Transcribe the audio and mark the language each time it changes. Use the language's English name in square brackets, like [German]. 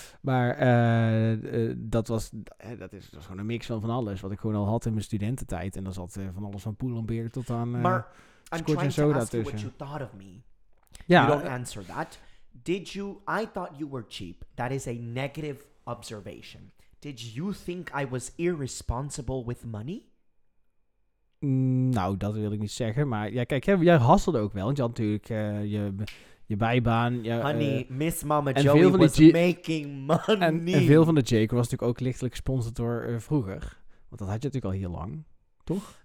[Dutch] Maar dat was gewoon een mix van alles. Wat ik gewoon al had in mijn studententijd. En dan zat van alles van Pull&Bear tot aan Scotch en Soda tussen. [English] I'm trying to ask you what you thought of me. [Dutch] Ja, [English] you don't answer that. I thought you were cheap. That is a negative observation. Did you think I was irresponsible with money? [Dutch] Nou, dat wil ik niet zeggen. Maar ja, kijk, jij hustelde ook wel. Want je had natuurlijk je bijbaan. [English] Miss Mama Joey was making money. [Dutch] En veel van de Jake was natuurlijk ook lichtelijk gesponsord door vroeger. Want dat had je natuurlijk al heel lang, toch?